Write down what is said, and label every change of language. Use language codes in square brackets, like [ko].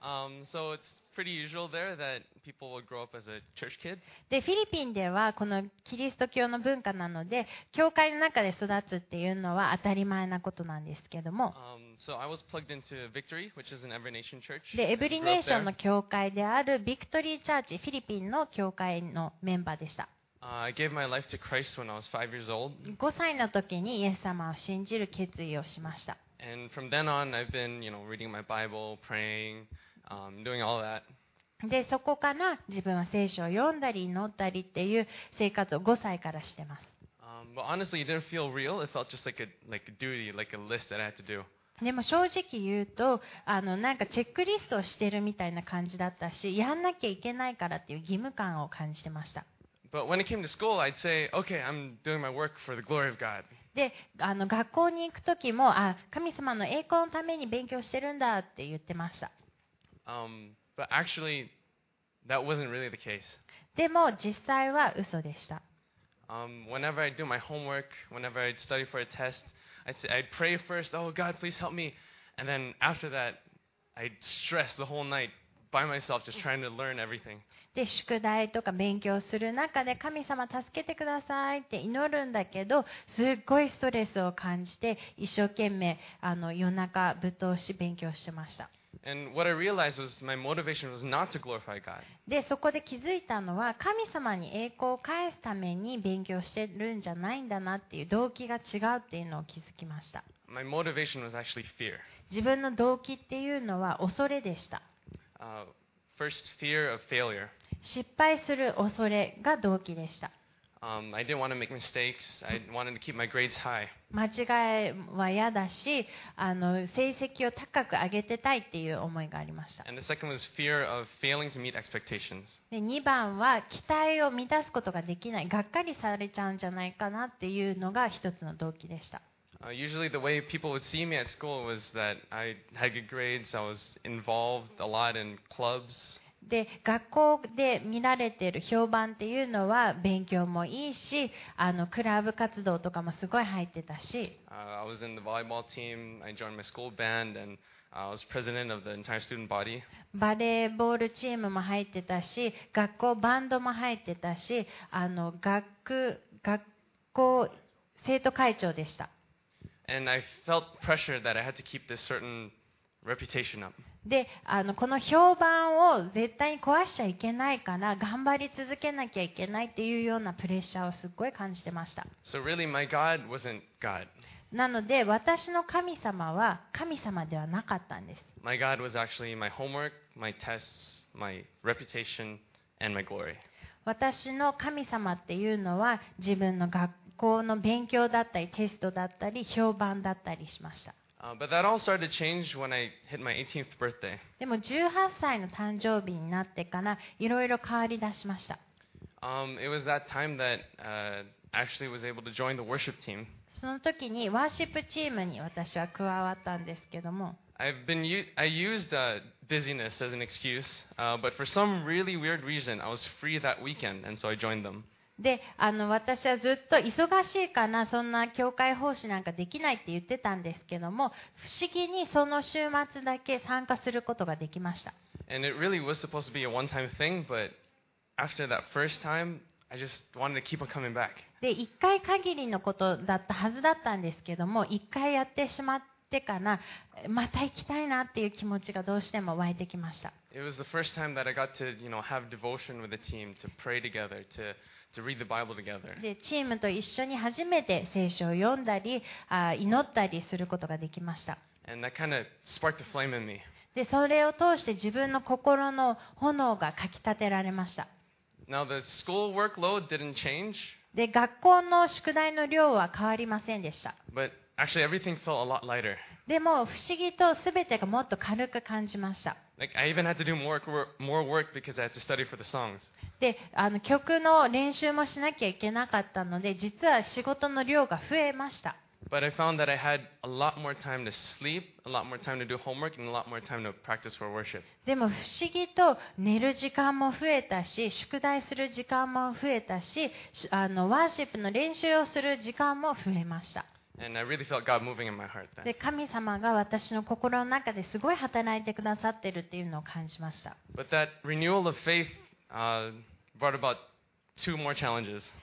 [en] So it's pretty usual there that people will grow up as a church kid. [ja] で、フィリピンではこのキリスト教の文化なので、教会の中で育つっていうのは当たり前なことなんですけども。 [en] So I was plugged into Victory, which is an Every Nation Church. [ja] で、エブリネーションの教会であるビクトリーチャーチ、フィリピンの教会のメンバーでした。 [en] I gave my life to Christ when I was 5 years old. [ja] 5歳の時にイエス様を信じる決意をしました。 [en] And from then on, I've been, you know, reading my Bible, praying, doing all that. [ja] で、そこから自分は聖書を読んだり祈ったりっていう生活を5歳からしてます。 [en] But honestly, it didn't feel real. It felt just like a duty, like a list that I had to do. [ja] でも正直言うと、なんかチェックリストをしてるみたいな感じだったし、やんなきゃいけないからっていう義務感を感じてました。 [en] But when it came to school, I'd say, okay, I'm doing my work for the glory of God. [ja] で、学校に行くときも、あ、神様の栄光のために勉強してるんだって言ってました。 [en] But actually, that wasn't really the case. [ja] でも実際は嘘でした。 [en] Whenever I do my homework, whenever I study for a test,I'd pray first, oh God, please help me. And then after that, I'd stress the whole night by myself, just trying to learn everything. [ja] で、宿題とか勉強する中で、神様助けてくださいって祈るんだけど、すっごいストレスを感じて、一生懸命夜中ぶっ通し勉強してました。 [en] And what I realized was my motivation was not to glorify God. [ja] で、そこで気づいたのは、神様に栄光を返すために勉強してるんじゃないんだなっていう動機が違うっていうのを気づきました。 [en] My motivation was actually fear. [ja] 自分の動機っていうのは恐れでした。 [en] First fear of failure. [ja] 失敗する恐れが動機でした。 [en] I didn't want to make mistakes. I wanted to keep my grades high. [ja] 間違いは嫌だし、成績を高く上げてたいっていう思いがありました。 [en] And the second was fear of failing to meet expectations. [ja] で、2番は期待を満たすことができない、がっかりされちゃうんじゃないかなっていうのが一つの動機でした。 [en] Usually the way people would see me at school was that I had good grades. I was involved a lot in clubs. [ja] で、学校で見られている評判っていうのは勉強もいいし、クラブ活動とかもすごい入ってたし。 [en] I was in the volleyball team. I joined my school band and I was president of the entire student body. [ja] バレーボールチームも入ってたし、学校バンドも入ってたし、学校生徒会長でした。 [en] And I felt pressure that I had to keep this certain reputation up. [ja] で、この評判を絶対に壊しちゃいけないから頑張り続けなきゃいけないっていうようなプレッシャーをすっごい感じてました。 [en] So really, my God wasn't God. [ja] なので私の神様は神様ではなかったんです。 [en] My God was actually my homework, my tests, my reputation, and my glory. [ja] 私の神様っていうのは自分の学校の勉強だったりテストだったり評判だったりしました。 [en] But that all started to change when I hit my 18th birthday. [ja] でも18歳の誕生日になってからいろいろ変わり出しました。 [en] It was that time that actually was able to join the worship team. [ja] その時にワーシップチームに私は加わったんですけども。 [en] I used busyness as an excuse, but for some really weird reason, I was free that weekend, and so I joined them. [ja] で、私はずっと忙しいかな、そんな教会奉仕なんかできないって言ってたんですけども、不思議にその週末だけ参加することができました。 [en] And it really was supposed to be a one-time thing, but after that first time, I just wanted to keep on coming back. [ja] で、一回限りのことだったはずだったんですけども、一回やってしまってから、また行きたいなっていう気持ちがどうしても湧いてきました。 [en] It was the first time that I got to, you know, have devotion with the team, to pray together, toRead the Bible together. [ja] で、チームと一緒に初めて聖書を読んだり、祈ったりすることができました。 [en] And that kind of sparked the flame in me. [ja] で、それを通して自分の心の炎がかきたてられました。 [en] Now the school workload didn't change. [ja] で、学校の宿題の量は変わりませんでした。 [en] But actually everything felt a lot lighter. [ja] でも不思議と全てがもっと軽く感じました。 [en] Like, I even had to do more work because I had to study for the songs. [ja] で、曲の練習もしなきゃいけなかったので、実は仕事の量が増えました。 [en] But I found that I had a lot more time to sleep, a lot more time to do homework, and a lot more time to practice for worship. [ja] でも不思議と寝る時間も増えたし、宿題する時間も増えたし、ワーシップの練習をする時間も増えました。 [en] And I really felt God moving in my heart then. [ja] で、神様が私の心の中ですごい働いてくださってるっていうのを感じました。 [en] But that renewal of faith, brought about two more challenges.